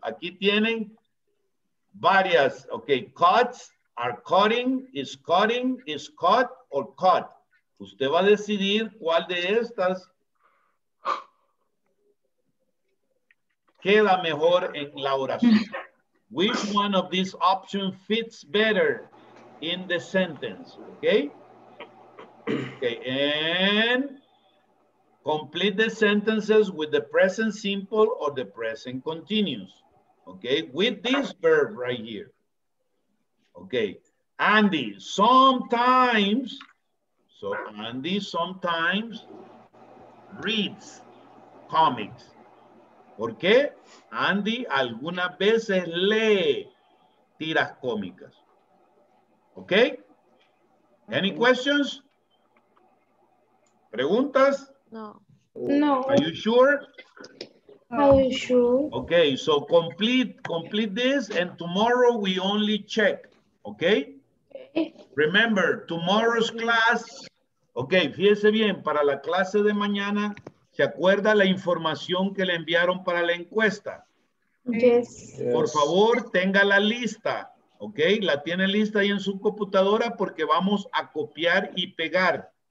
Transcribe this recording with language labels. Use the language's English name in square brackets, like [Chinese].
[Spanish] Aquí tienen varias, ok, cuts, are cutting, is cut or cut. Usted va a decidir cuál de estas queda mejor en la oración. [English] Which one of these options fits better in the sentence, ok? Ok, and complete the sentences with the present simple or the present continuous. Okay, with this verb right here. Okay, Andy, sometimes, so Andy sometimes reads comics. [Spanish] ¿Por qué? Andy algunas veces lee tiras cómicas. [English] Okay, any questions? [Spanish] ¿Preguntas? [English] No. No. Are you sure? Are you sure? Okay, so complete this, and tomorrow we only check, okay? Remember, tomorrow's class, [Spanish] okay, fíjese bien, para la clase de mañana, ¿se acuerda la información que le enviaron para la encuesta? [English] Yes. [Spanish] Por favor, tenga la lista, okay? La tiene lista ahí en su computadora porque vamos a copiar y pegar.